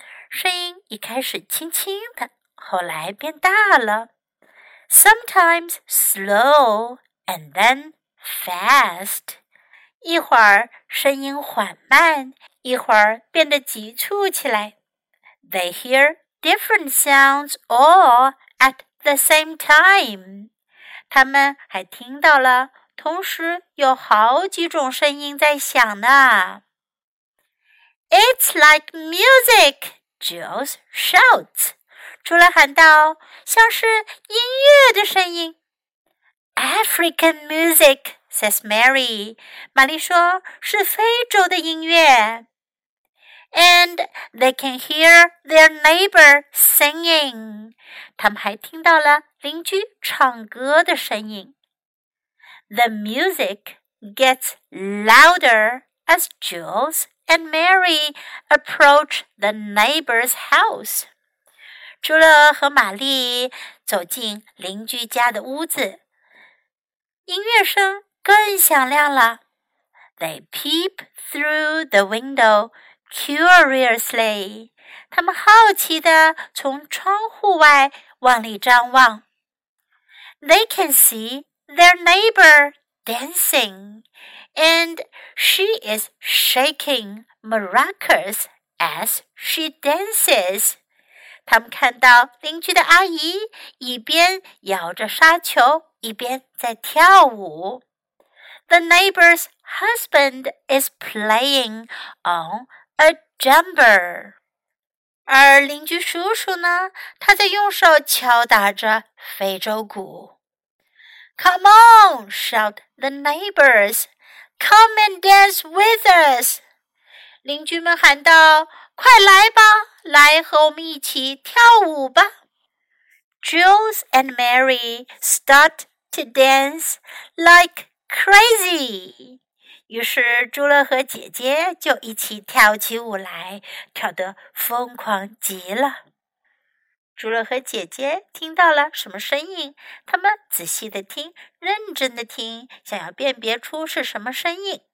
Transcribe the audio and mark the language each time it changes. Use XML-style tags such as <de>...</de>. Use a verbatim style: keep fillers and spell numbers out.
<zh>声音一开始轻轻的，后来变大了。</zh> <en>Sometimes slow and then fast.</en> <zh>一会儿声音缓慢，一会儿变得急促起来。</zh> <en>They hear different sounds all at the same time.</en> <zh>他们还听到了，同时有好几种声音在响呢。</zh> <en>It's like music, Jules shouts.</en> <zh>朱乐喊道，像是音乐的声音。</zh> <en>African music, says Mary.</en> <zh>玛丽说，是非洲的音乐。</zh> <en>And they can hear their neighbor singing.</en> <zh>他们还听到了邻居唱歌的声音。</zh> <en>The music gets louder as Jules and Mary approach the neighbor's house.</en> <zh>朱乐和玛丽走进邻居家的屋子，音乐声更响亮了。</zh> <en>They peep through the window curiously.</en> <zh>他们好奇地从窗户外往里张望。</zh> <en>They can see their neighbor dancing, and she is shaking maracas as she dances.</en> <zh>他们看到邻居的阿姨一边摇着沙球，一边在跳舞。</zh> <en>The neighbor's husband is playing on a jumper.</en> <zh>而邻居叔叔呢，他在用手敲打着非洲鼓。</zh> <en>Come on, shout the neighbors. Come and dance with us.</en> <zh>邻居们喊道，快来吧，来和我们一起跳舞吧。</zh> <en>Jules and Mary start to dance like crazy.</en> <zh>于是朱乐和姐姐就一起跳起舞来，跳得疯狂极了。朱乐和姐姐听到了什么声音，他们仔细地听，认真地听，想要辨别出是什么声音。</zh>